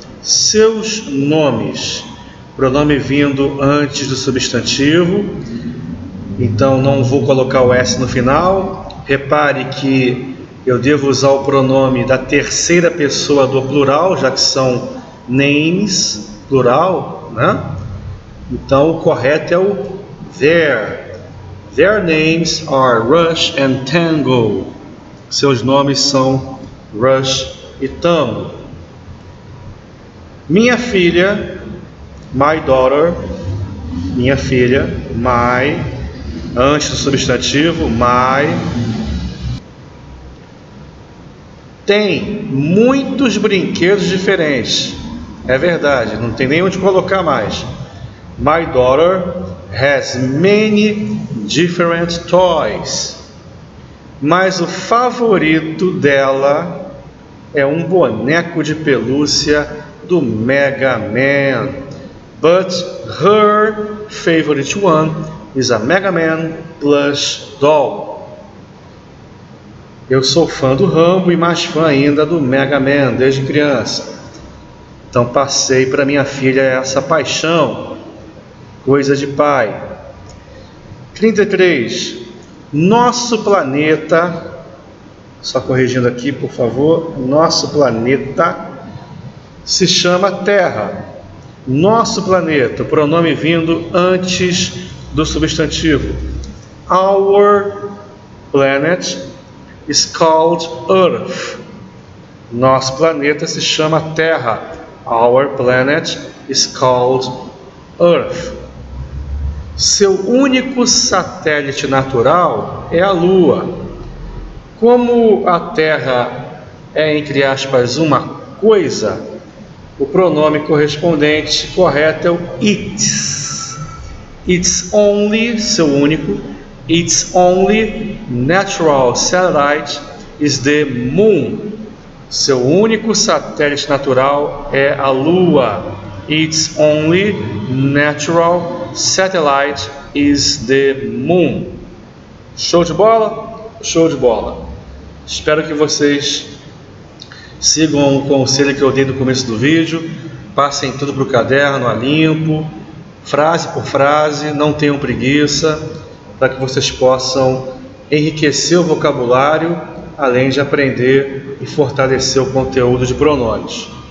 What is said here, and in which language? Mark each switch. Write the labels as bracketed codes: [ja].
[pt] Seus nomes. Pronome vindo antes do substantivo, então não vou colocar o S no final. Repare que eu devo usar o pronome da terceira pessoa do plural, já que são names, plural, né? Então o correto é o their. [en] Their names are Rush and Tango. [pt] Seus nomes são Rush e Tango. Minha filha. [en] My daughter, [pt] minha filha, my, antes do substantivo, my, tem muitos brinquedos diferentes. É verdade, não tem nem onde colocar mais. [en] My daughter has many different toys. [pt] Mas o favorito dela é um boneco de pelúcia do Mega Man. [en] But her favorite one is a Mega Man plush doll. [pt] Eu sou fã do Rambo e mais fã ainda do Mega Man desde criança. Então passei para minha filha essa paixão. Coisa de pai. 33. Nosso planeta. Só corrigindo aqui, por favor. Nosso planeta se chama Terra. Nosso planeta, pronome vindo antes do substantivo. [en] Our planet is called Earth. [pt] Nosso planeta se chama Terra. [en] Our planet is called Earth. [pt] Seu único satélite natural é a Lua. Como a Terra é, entre aspas, uma coisa, o pronome correspondente correto é o its. [en] It's only, [pt] seu único, [en] its only natural satellite is the moon. [pt] Seu único satélite natural é a Lua. [en] Its only natural satellite is the moon. [pt] Show de bola? Show de bola. Espero que vocês sigam o conselho que eu dei no começo do vídeo, passem tudo para o caderno, a limpo, frase por frase, não tenham preguiça, para que vocês possam enriquecer o vocabulário, além de aprender e fortalecer o conteúdo de pronomes.